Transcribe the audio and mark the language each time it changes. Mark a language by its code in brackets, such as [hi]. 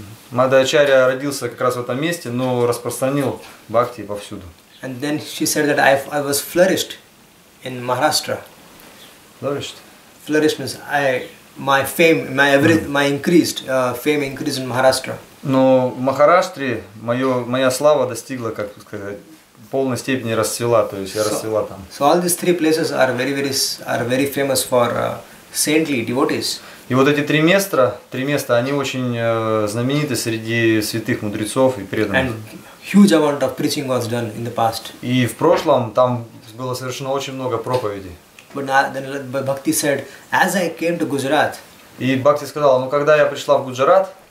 [ru] Madhvacharya родился как раз в этом месте, но распространил Бхакти повсюду. [en] And then she said that I was flourished in Maharashtra. Flourished means My fame increased in Maharashtra. [ru] Но в Махараштре моя слава достигла, как сказать, полной степени расцвела, то есть я расцвела там. [en] So all these three places are very famous for saintly devotees. [ru] И вот эти три места, они очень знамениты среди святых мудрецов и преданных. [en] And huge amount of preaching was done in the past. [ru] И в прошлом там было совершено очень много проповедей. [en] But Bhakti said, as I came to Gujarat. [ru] И Бхакти сказал, ну когда я пришла в Гуджарат.